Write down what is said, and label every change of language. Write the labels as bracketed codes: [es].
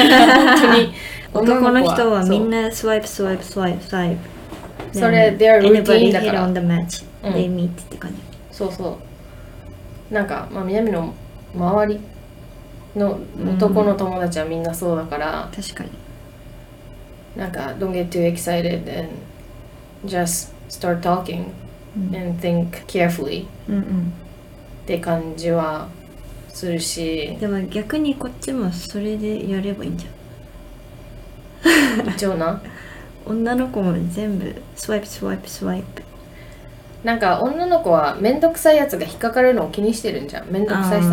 [ja] 本当に男の人はみんなスワイプスワイプスワイプスワイプ、それ [en] their routine [ja] だから [en] anybody hit on the match、 [ja] うん、 [en] they meet [ja] って感じ。そうそう、なんか、まあ、南の周りの男の友達はみんなそうだから、うん、確かに、なんか [en] Don't get too excited and just start talking、 [ja] うん、 [en] and think carefully、 [ja] うんうん、って感じはするし、でも逆にこっちもそれでやればいいんじゃん。一応な、女の子も全部スワイプスワイプスワイプ、なんか女の子はめんどくさいやつが引っかかるのを気にしてるんじゃん、めんどくさいさ、